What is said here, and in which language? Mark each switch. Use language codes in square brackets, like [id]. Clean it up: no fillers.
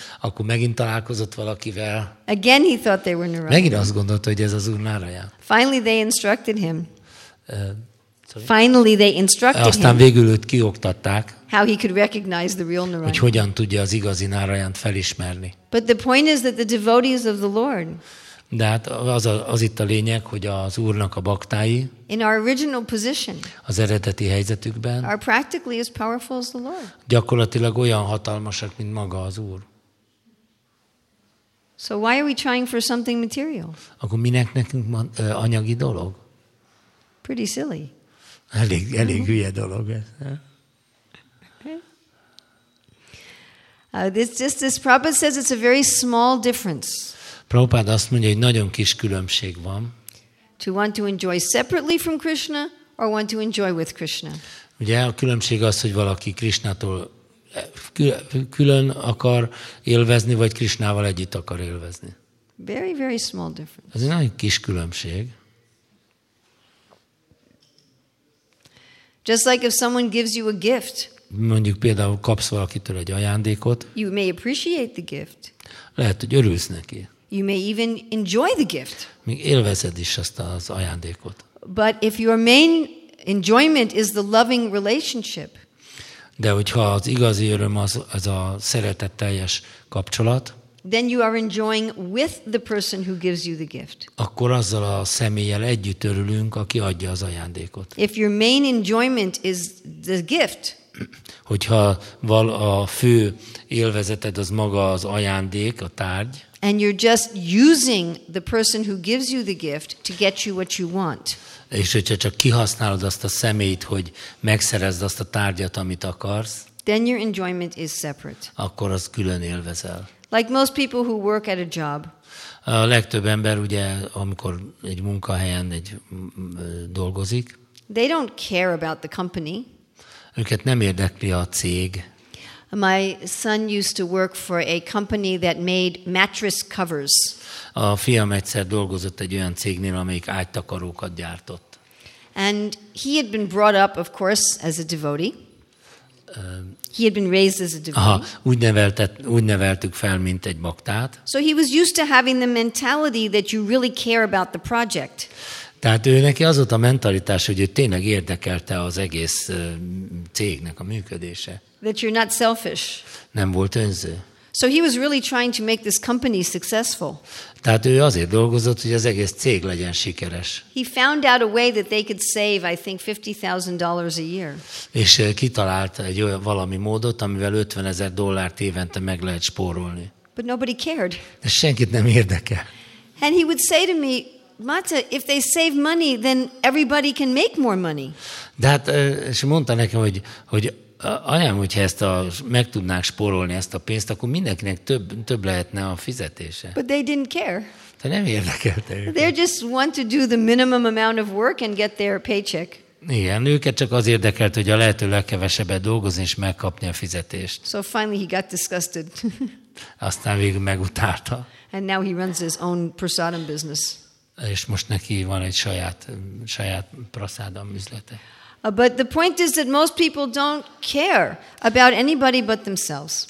[hu] Akkor megint találkozott valakivel. [en] Again he thought they were Narayana. [hu] Megint azt gondolta, hogy ez az Úr Narayan. [en] Finally they instructed him. Finally they instructed him. [hu] Aztán végül őt kioktatták. [en] How he could recognize the real Narayana. [hu] Hogy hogyan tudja az igazi Narayant felismerni. [en] But the point is that the devotees of the Lord. [hu] De hát az itt a lényeg, hogy az Úrnak a baktái [en] in our original position, [hu] az eredeti helyzetükben [en] are practically as powerful as the Lord. [hu] Gyakorlatilag olyan hatalmasak, mint maga az Úr. [en] So why are we trying for something material? [hu] Akkor minek nekünk anyagi dolog? [en] Pretty silly. [hu] Elég hülye dolog ez. [en] Okay. This Prabhupada says it's a very small difference. [hu] Prabhupada azt mondja, hogy nagyon kis különbség van. [en] To want to enjoy separately from Krishna or want to enjoy with Krishna. [hu] Ugye a különbség az, hogy valaki Krishnától külön akar élvezni, vagy Krishnával együtt akar élvezni. [en] Very, very small difference. [hu] Ez egy nagyon kis különbség. [en] Just like if someone gives you a gift. [hu] Mondjuk például kapsz valakitől egy ajándékot. [en] You may appreciate the gift. [hu] Lehet, hogy örülsz neki. [en] You may even enjoy the gift. [hu] Még élvezed is azt az ajándékot. [en] But if your main enjoyment is the loving relationship. [hu] De hogyha az igazi öröm az a szeretetteljes kapcsolat. [en] Then you are enjoying with the person who gives you the gift. [hu] Akkor azzal a személlyel együtt örülünk, aki adja az ajándékot. [en] If your main enjoyment is the gift. [hu] Hogyha a fő élvezeted az maga az ajándék, a tárgy. [en] And you're just using the person who gives you the gift to get you what you want. [hu] És hogyha csak kihasználod azt a személyt, hogy megszerezd azt a tárgyat, amit akarsz. [en] Then your enjoyment is separate. [hu] Akkor azt külön élvezel. [en] Like most people who work at a job. [hu] A legtöbb ember ugye, amikor egy munkahelyen dolgozik. [en] They don't care about the company. [hu] Őket nem érdekli a cég. [en] My son used to work for a company that made mattress covers. [hu] A fiam egyszer dolgozott egy olyan cégnél, amelyik ágytakarókat gyártott. [en] And he had been brought up, of course, as a devotee. He had been raised as a devotee. [hu] Úgy neveltük fel, mint egy baktát. [en] So he was used to having the mentality that you really care about the project. [hu] Tehát ő neki az volt a mentalitás, hogy ő tényleg érdekelte az egész cégnek a működése. [en] That you're not selfish. [hu] Nem volt önző. [en] So he was really trying to make this company successful. [hu] Tehát ő azért dolgozott, hogy az egész cég legyen sikeres. [en] He found out a way that they could save, I think, $50,000 a year. [hu] És kitalált egy olyan valami módot, amivel $50,000 évente meg lehet spórolni. [en] But nobody cared. [hu] De senkit nem érdekel. [en] And he would say to me, Mata, if they save money, then everybody can make more money. [hu] De hát, és mondta nekem, hogy anyám, hogyha ezt meg tudnák spórolni ezt a pénzt, akkor mindenkinek több lehetne a fizetése. [en] But they didn't care. [hu] De nem érdekelte őket. [en] They just want to do the minimum amount of work and get their paycheck. [hu] Igen, őket csak az érdekelt, hogy a lehető legkevesebbet dolgozni és megkapni a fizetést. [en] So finally he got disgusted. [hu] Aztán végül megutálta. [en] And now he runs his own prasadam business. [hu] És most neki van egy saját prasadam üzlete. [en] But the point is that most people don't care about anybody but themselves.